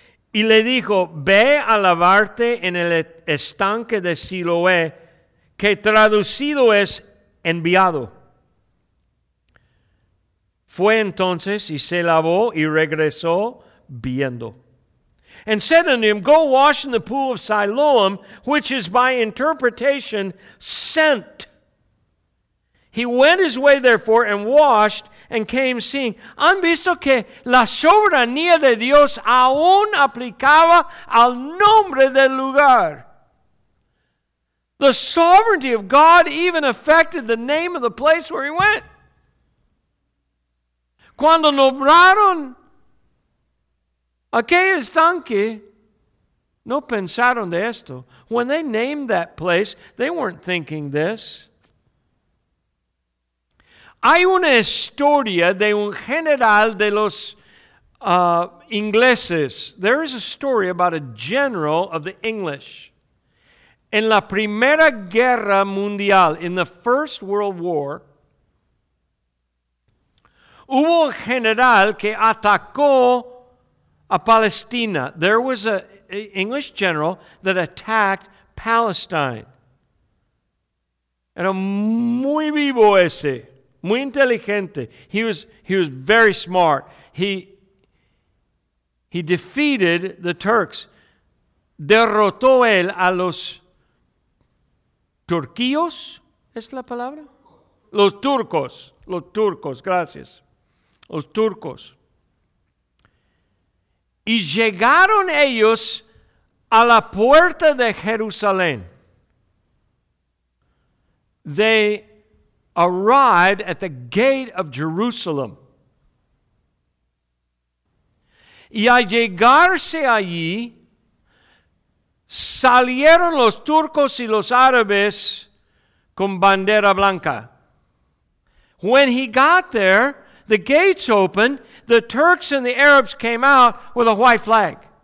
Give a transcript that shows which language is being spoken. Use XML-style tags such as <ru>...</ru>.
<es>Y le dijo, ve a lavarte en el estanque de Siloé, que traducido es enviado. Fue entonces y se lavó y regresó viendo.</es> <en>And said unto him, go wash in the pool of Siloam, which is by interpretation sent. He went his way therefore and washed and came seeing.</en> <es>¿Han visto que la soberanía de Dios aún aplicaba al nombre del lugar?</es> <en>The sovereignty of God even affected the name of the place where he went.</en> <es>Cuando nombraron aquel estanque, no pensaron de esto.</es> <en>When they named that place, they weren't thinking this.</en> <es>Hay una historia de un general de los ingleses.</es> <en>There is a story about a general of the English.</en> <es>En la Primera Guerra Mundial,</es> <en>in the First World War,</en> <es>hubo un general que atacó a Palestina.</es> <en>There was an English general that attacked Palestine.</en> <es>Era muy vivo ese. Muy inteligente.</es> <en>He was very smart. He defeated the Turks.</en> <es>Derrotó él a los turquillos. ¿Es la palabra? Los turcos. Los turcos, gracias. Los turcos. Y llegaron ellos a la puerta de Jerusalén.</es> <en>They arrived at the gate of Jerusalem.</en> <es>Y al llegarse allí, salieron los turcos y los árabes con bandera blanca.</es> <en>When he got there, the gates opened, the Turks and the Arabs came out with a white flag.</en>